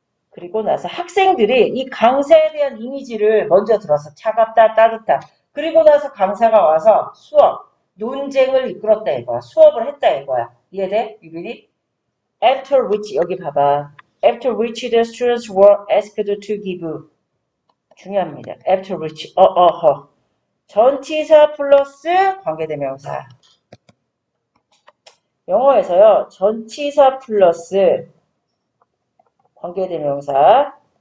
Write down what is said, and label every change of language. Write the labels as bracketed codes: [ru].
[ko] 그리고 나서 학생들이 이 강사에 대한 이미지를 먼저 들어서 차갑다, 따뜻하다. 그리고 나서 강사가 와서 수업, 논쟁을 이끌었다 이거야. 수업을 했다 이거야. 이해돼? 유빈이? [en] After which, [ko] 여기 봐봐. [en] After which the students were asked to give. [ko] 중요합니다. [en] After which, [ko] 전치사 플러스 관계대명사. 영어에서요, 전치사 플러스 관계대명사.